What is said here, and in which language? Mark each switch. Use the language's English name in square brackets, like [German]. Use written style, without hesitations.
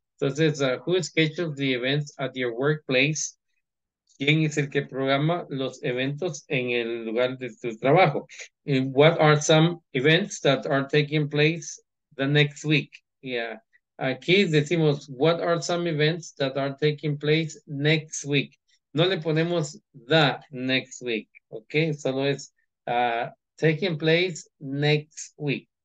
[English] Entonces, who schedules the events at your workplace? [Spanish] ¿Quién es el que programa los eventos en el lugar de tu trabajo? [English] And what are some events that are taking place the next week? Yeah. [Spanish] Aquí decimos, [English] what are some events that are taking place next week? [Spanish] No le ponemos [English] the next week, [Spanish] okay? Solo es [English] taking place next week.